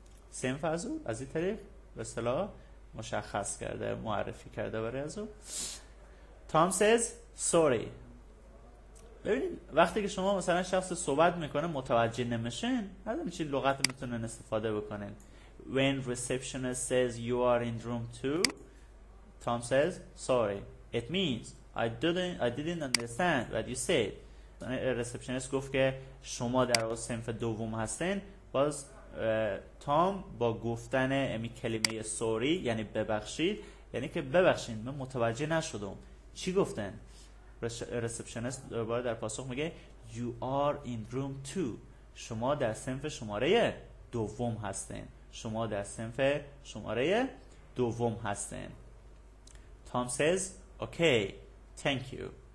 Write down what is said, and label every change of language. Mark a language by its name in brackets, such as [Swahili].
[Persian] صنف از او از این طریق به اصطلاح مشخص کرده، معرفی کرده برای از او. [English] Tom says sorry. [Persian] ببینید وقتی که شما مثلا شخص صحبت میکنه متوجه نمیشین، نمیدونی چی لغت میتونن استفاده بکنن. [English] When receptionist says you are in room 2, Tom says sorry. It means I didn't understand what you said. [Persian] Receptionist گفت که شما در صنف دوم هستین. باز تام با گفتن امی کلمه سوری یعنی ببخشید، یعنی که ببخشید من متوجه نشدم چی گفتن. رسپشنست دوباره در پاسخ میگه [English] You are in room 2. [Persian] شما در صنف شماره دوم هستین. شما در صنف شماره دوم هستین. تام [English] says Okay, thank you.